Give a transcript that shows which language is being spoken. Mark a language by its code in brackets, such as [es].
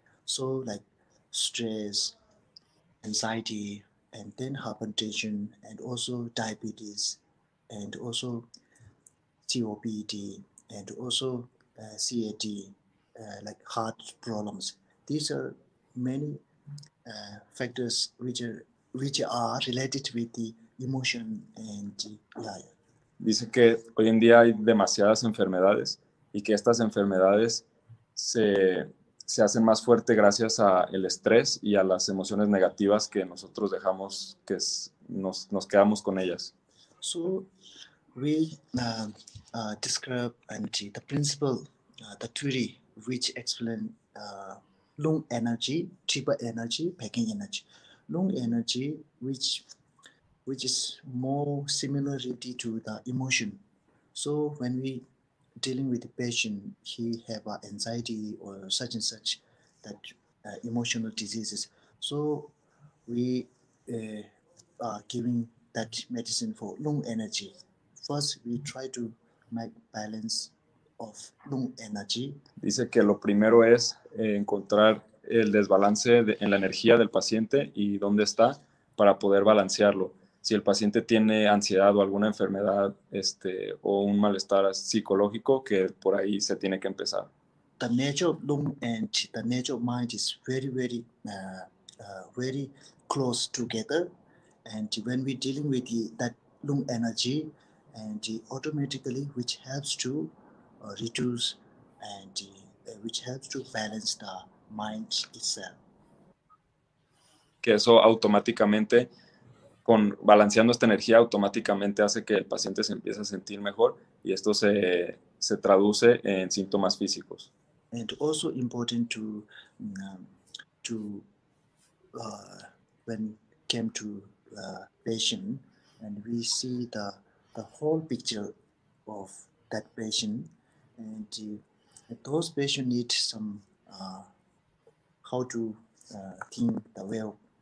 [en] So like stress, anxiety, and then hypertension, and also diabetes, and also COPD, and also CAD, like heart problems. These are many factors which are related with the emotion and life. [es] Dice que hoy en día hay demasiadas enfermedades y que estas enfermedades se hacen más fuerte gracias al estrés y a las emociones negativas que nosotros dejamos, que nos quedamos con ellas. [en] So, we describe the principle, the theory, which explains lung energy, triple energy, packing energy. Lung energy, which is more similarity to the emotion. So when we dealing with the patient, he have anxiety or such and such, that emotional diseases. So we are giving that medicine for lung energy. First, we try to make balance of lung energy. [es] Dice que lo primero es encontrar el desbalance en la energía del paciente y dónde está para poder balancearlo. Si el paciente tiene ansiedad o alguna enfermedad o un malestar psicológico, que por ahí se tiene que empezar. [en] The nature of lung and the nature of mind is very, very, very close together. And when we dealing with that lung energy, and automatically which helps to reduce and which helps to balance the mind itself. [es] Que eso automáticamente, con balanceando esta energía, automáticamente hace que el paciente se empiece a sentir mejor y esto se traduce en síntomas físicos. [en] And also important to when came to patient and we see the whole picture of that patient, and those patient need some how to think the well.